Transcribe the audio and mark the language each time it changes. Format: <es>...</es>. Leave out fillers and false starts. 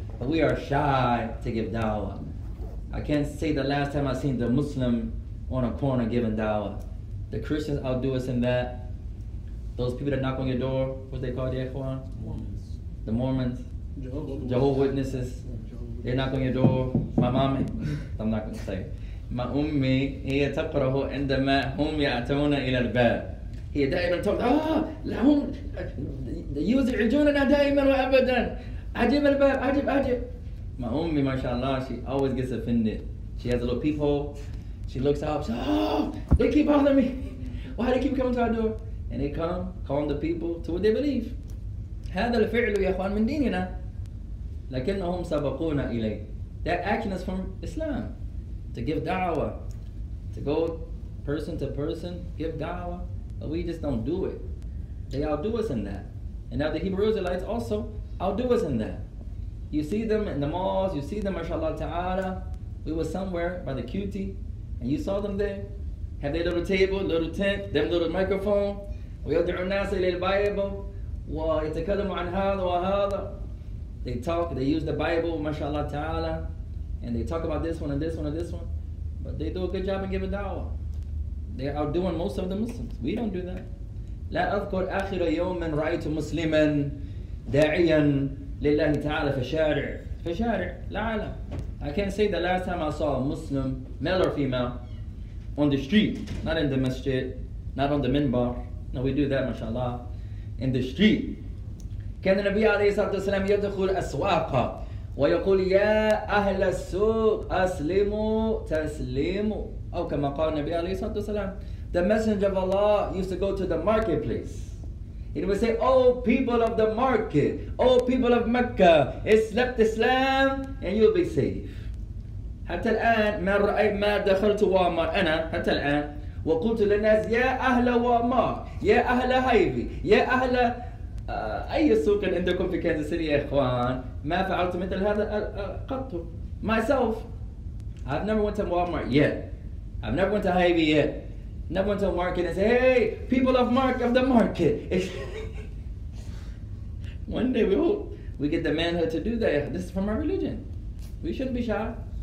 <en>But we are shy to give da'wah. I can't say the last time I seen the Muslim on a corner giving da'wah. The Christians outdo us in that. Those people that knock on your door, what they call the ikhwan? Mormons. The Mormons. Jehovah's Witnesses. They knock on your door. My mommy, I'm not going to say. My ummi,</en> <ar>هي تقرأه عندما هم يأتون إلى الباب. هي دائما تقول آه لهم يزعجوننا دائما وأبدا. عجيب الباب عجيب عجيب.</ar> <en>My ummi, mashallah, she always gets offended. She has a little peephole. She looks out. She says, oh, they keep bothering me. Why do they keep coming to our door? And they come calling the people to what they believe.</en> <ar>هذا الفعل يا إخوان من ديننا. لكنهم سبقونا إليه.</ar> <en>That action is from Islam. To give da'wah. To go person to person, give da'wah. But we just don't do it. They outdo us in that. And now the Hebrew Israelites also outdo us in that. You see them in the malls, you see them, mashallah ta'ala. We were somewhere by the QT, and you saw them there. Have their little table, little tent, them little microphone.</en> <ar>ويدعو الناس إلى البيبل ويتكلموا عن هذا وهذا.</ar> <en>they talk, they use the Bible, mashallah ta'ala, and they talk about this one and this one and this one, but they do a good job and give a da'wah. They are outdoing most of the Muslims. We don't do that.</en> <ar>لا أذكر آخر يوم رأيت مسلما داعيا لله تعالى في الشارع. في الشارع لا لا.</ar> <en>I can't say the last time I saw a Muslim, male or female, on the street, not in the masjid, not on the minbar. No, we do that, mashallah, in the street.</en> <ar>كان النبي عليه الصلاة والسلام يدخل أسواقا ويقول يا أهل السوق أسلموا تسلموا. أو كما قال النبي عليه الصلاة والسلام.</ar> <en>The Messenger of Allah used to go to the marketplace. He would say, oh people of the market, oh people of Mecca, accept Islam and you'll be safe.</en> <ar>حتى الآن ما رأيت ما دخلت وامار أنا حتى الآن وقلت للناس يا أهل وامار يا أهل هايفي يا أهل أي سوق عندكم في كنزا سيتي يا إخوان ما فعلت مثل هذا قط.</ar> <en>Myself, I've never went to Walmart yet. I've never went to Hy-Vee yet. Never went to a market and say, hey, people of the market. One day we hope we get the manhood to do that. This is from our religion. We shouldn't be shy.</en>